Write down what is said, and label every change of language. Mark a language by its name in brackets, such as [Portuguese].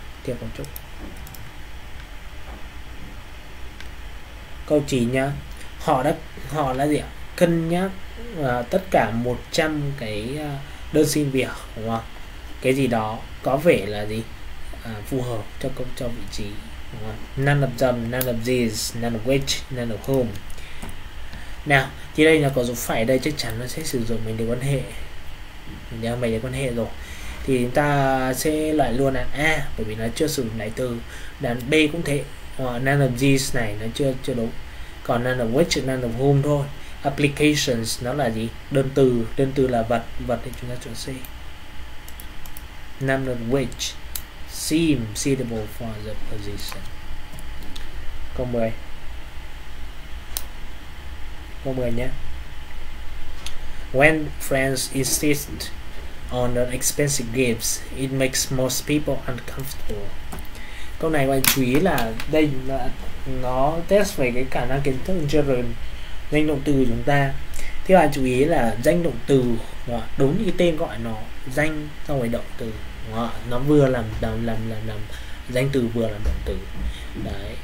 [Vietnamese] Tiếp một chút câu 9 nhá. Họ đã gì ạ, cân nhắc tất cả 100 cái đơn xin việc đúng không, cái gì đó có vẻ là gì, phù hợp cho công cho vị trí. Đúng không? [English] None of them, none of these, none of which, none of whom. [Vietnamese] Nào, thì đây là có dấu phẩy đây chắc chắn nó sẽ sử dụng mệnh đề quan hệ. Nhớ mệnh đề quan hệ rồi. Thì chúng ta sẽ loại luôn là A bởi vì nó chưa sử dụng đại từ. Đoạn B cũng thế. None of these này nó chưa chưa đúng. Còn none of which, none of whom thôi. Applications nó là gì? Đơn từ là vật, vật thì chúng ta chọn C. [English] None of which seem suitable for the position. [Vietnamese] Câu 10. Câu 10 nhé. [English] When friends insist on an expensive gifts, it makes most people uncomfortable. [Vietnamese] Câu này bạn chú ý là đây là nó test về cái khả năng kiến thức German, danh động từ của chúng ta. Thì bạn chú ý là danh động từ đúng như cái tên gọi nó, danh xong rồi động từ. Nó vừa làm danh từ vừa làm động từ đấy.